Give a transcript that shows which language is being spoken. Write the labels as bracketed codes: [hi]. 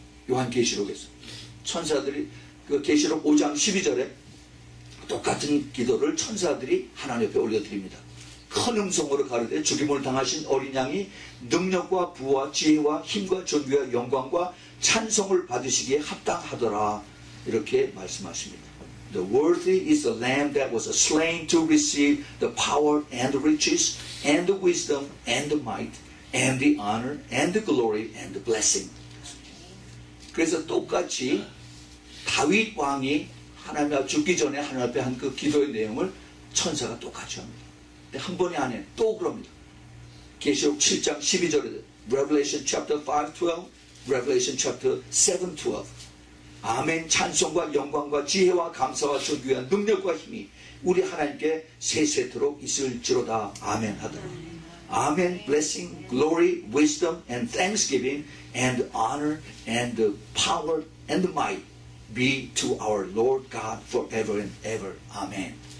[ko] 요한 계시록에서 천사들이 그 계시록 5장 12절에 똑같은 기도를 천사들이 하나님 옆에 올려드립니다. 큰 음성으로 가르되 죽임을 당하신 어린 양이 능력과 부와 지혜와 힘과 존귀와 영광과 찬송을 받으시기에 합당하더라 이렇게 말씀하십니다. [en] The worthy is the lamb that was slain to receive the power and the riches and the wisdom and the might and the honor and the glory and the blessing. [ko] 그래서 똑같이 다윗 왕이 하나님 앞에 죽기 전에 하나님 앞에 한 그 기도의 내용을 천사가 똑같이 합니다. 근데 한 번이 아니에요. 또 그럽니다. 계시록 7장 12절에 [en] Revelation chapter 5, 12 Revelation chapter 7, 12 [ko] 아멘 찬송과 영광과 지혜와 감사와 존귀와 능력과 힘이 우리 하나님께 세세토록 있을지로다 아멘 하더라 아멘 [en] blessing, glory, wisdom and thanksgiving and honor and power and might be to our Lord God forever and ever [ko] 아멘